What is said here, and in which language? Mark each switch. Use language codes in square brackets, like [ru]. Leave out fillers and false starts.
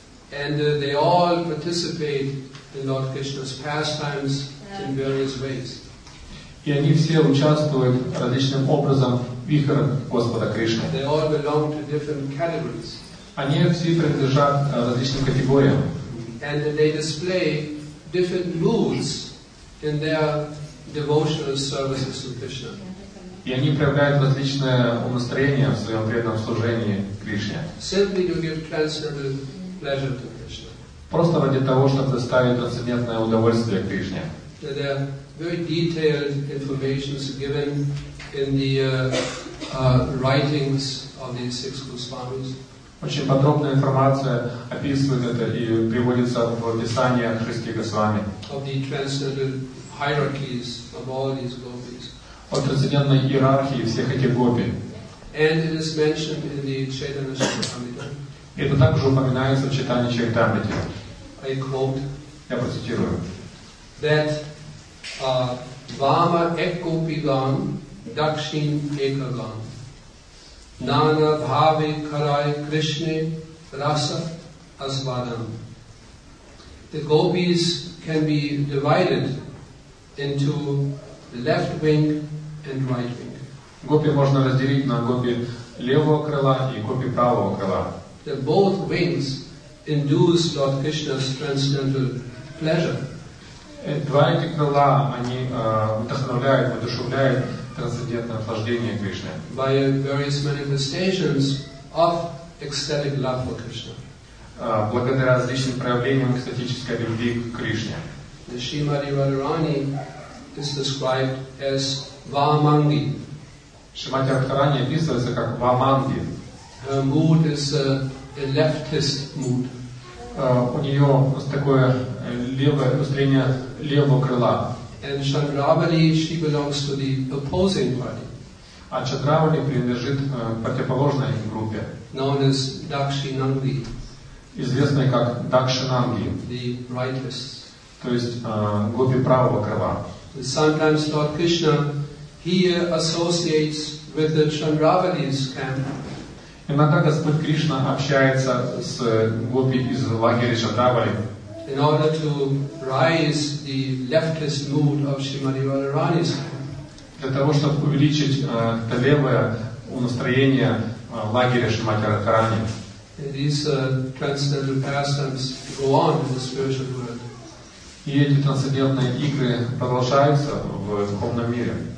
[en] And they all participate in Lord Krishna's pastimes in various ways. [ru] И они все участвуют различным образом в играх Господа Кришны. [en] They all belong to different categories. [ru] Они все принадлежат различным категориям. [en] And they display different moods in their devotional services to Krishna. [ru] И они проявляют различное настроение в своем преданном служении Кришне. [en] Simply to give transcendental pleasure to Krishna. [ru] Просто ради того, чтобы доставить трансцендентное удовольствие Кришне. [en] There are very detailed informations given in the writings of the six Goswamis. [ru] Очень подробная информация описывает это и приводится в описаниях шести Госвами. [en] Of the transcendental hierarchies of all these gopis. [ru] О трансцендентной иерархии всех этих гопи. [en] And it is mentioned in the Chaitanya Charitamrita. [ru] Это также упоминается в Чайтанья Чаритамрите. [en] I quote. [ru] Я процитирую. [sa] That Vama ekopigan dakshin ekagan. Nana bhavi karai krishne rasa asvadam. [en] The gopis can be divided into left wing and right wing. [ru] Гопи можно разделить на гопи левого крыла и гопи правого крыла. [en] The both wings induce Lord Krishna's transcendental pleasure. [ru] Два эти крыла, они вдохновляют, воодушевляют трансцендентное наслаждение Кришны. [en] By various manifestations of ecstatic love for Krishna. [ru] Благодаря различным проявлениям экстатической любви к Кришне. [en] The Srimati Radharani is described as Vamangi. [ru] Srimati Radharani описывается как Vamangi. [en] Her mood is a leftist mood. [ru] У нее такое левое устремление левого крыла. [en] And Chandravali, she belongs to the opposing party. [ru] А Чандравали принадлежит противоположной группе. [en] Known as Dakshinangi. [ru] Известной как Dakshinangi. [en] The rightist. [ru] То есть гопи правого крыла. [en] Sometimes Lord Krishna he associates with the Chandravali's camp. [ru] Иногда Господь Кришна общается с гопи из лагеря Чандравали. [en] In order to rise the leftist mood of Srimati Radharani's [ru] для того, чтобы увеличить это левое настроение лагеря Шримати Радхарани. [en] These transcendental pastimes go on in the spiritual world. [ru] И эти трансцендентные игры продолжаются в духовном мире.